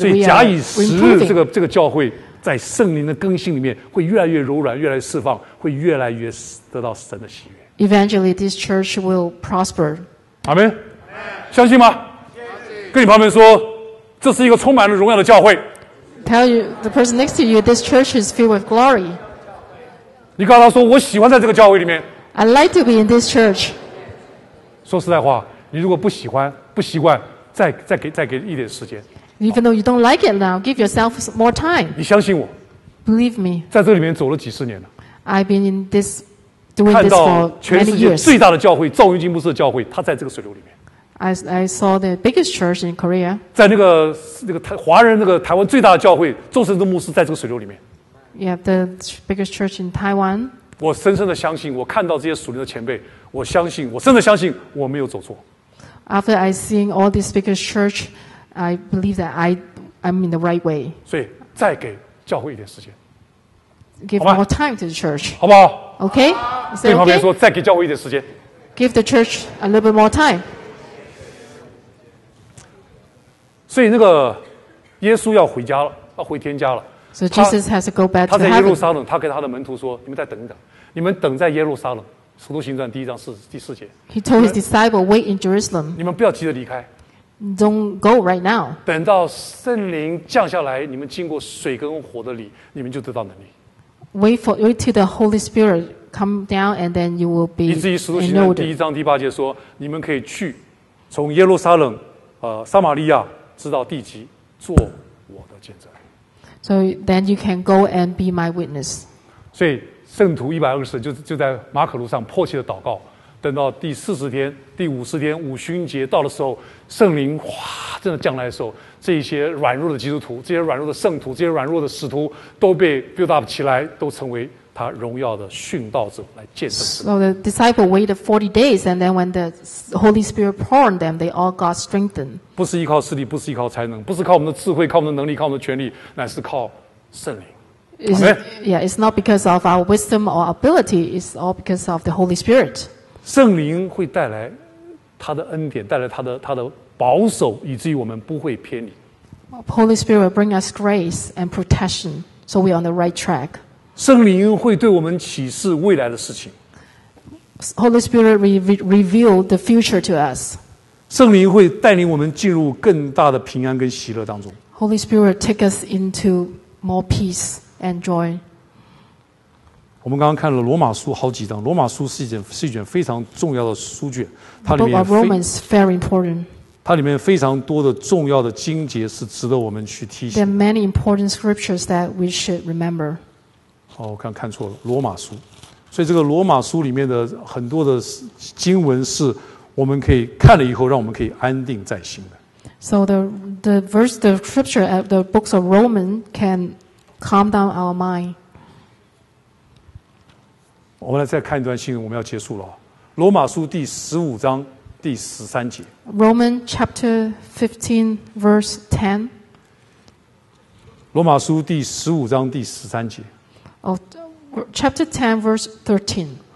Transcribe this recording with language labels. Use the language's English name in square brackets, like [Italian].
[Chinese] 所以假以时日，这个教会在圣灵的更新里面会越来越柔软，越来越释放，会越来越得到神的喜悦。 [English] Eventually, this church will prosper. [Chinese] 阿们，相信吗？跟你旁边说。这是一个充满了荣耀的教会。 [English] Tell you the person next to you, this church is filled with glory. [Chinese] 你告诉他说，我喜欢在这个教会里面。 [English] I like to be in this church. [Chinese] 说实在话，你如果不喜欢、不习惯，再给一点时间。 [English] Even though you don't like it now, give yourself more time. [Chinese] 你相信我。 [English] Believe me. [Chinese] 在这里面走了几十年了。 [English] I've been in this doing this for many years. [Chinese] 看到全世界最大的教会——赵云金牧师的教会，他在这个水流里面。 [English] I saw the biggest church in Korea. [Chinese] 在那个华人那个台湾最大的教会，周成柱牧师在这个水流里面。 [English] Yeah, the biggest church in Taiwan. [Chinese] 我深深的相信，我看到这些属灵的前辈，我相信，我真的相信，我没有走错。 [English] After I seeing all these biggest church, I believe that I'm in the right way. [Chinese] 所以再给教会一点时间。 [English] Give more time to the church. [Chinese] 好不好 [English] ？Okay. [Chinese] 对旁边说，再给教会一点时间。 [English] Give the church a little bit more time. [Chinese] 所以那个耶稣要回家了，要回天家了。 [English] So Jesus has to go back to heaven. [Chinese] 他在耶路撒冷，他给他的门徒说：“你们再等一等，你们等在耶路撒冷。” 《使徒行传》第一章第四节。 [English] He told his disciples, "Wait in Jerusalem." [Chinese] 你们不要急着离开。 [English] Don't go right now. [Chinese] 等到圣灵降下来，你们经过水跟火的礼，你们就得到能力。 [English] wait for wait till the Holy Spirit come down, and then you will be. [Chinese] 以至于使徒行传第一章第八节说，你们可以去，从耶路撒冷，撒玛利亚，直到地极，做我的见证。 [English] So then you can go and be my witness. [Chinese] 所以圣徒一百二十就在马可路上迫切的祷告，等到第四十天、第五十天五旬节到的时候，圣灵哗真的降来的时候，这些软弱的基督徒、这些软弱的圣徒、这些软弱的使徒都被 [English] build up [Chinese] 起来，都成为他荣耀的殉道者来见证。 [English] So the disciple waited 40 days, and then when the Holy Spirit poured them, they all got strengthened. [Chinese] 不是依靠势力，不是依靠才能，不是靠我们的智慧、靠我们的能力、靠我们的权力，乃是靠圣灵。 [English] Yeah, it's not because of our wisdom or ability. It's all because of the Holy Spirit. [Chinese] 圣灵会带来他的恩典，带来他的保守，以至于我们不会偏离。 [English] Holy Spirit will bring us grace and protection, so we're on the right track. [Chinese] 圣灵会对我们启示未来的事情。 [English] Holy Spirit reveal the future to us. [Chinese] 圣灵会带领我们进入更大的平安跟喜乐当中。 [English] Holy Spirit take us into more peace. Enjoy. [Chinese] 我们刚刚看了罗马书好几章，罗马书是一卷非常重要的书卷，它里面 [English] Romans very important. [Chinese] 它里面非常多的重要的经节是值得我们去提醒。 [English] There are many important scriptures that we should remember. [Chinese] 好，我刚看错了，罗马书。所以这个罗马书里面的很多的经文是我们可以看了以后，让我们可以安定在心的。 [English] So the verse, the scripture, the books of Romans can Calm down our mind. [Chinese] 我们来再看一段新闻，我们要结束了。罗马书第十五章第十三节。 [English] Roman chapter 15 verse 10. [Chinese] 罗马书第十五章第十三节。 [English] Oh, chapter 10 verse 13.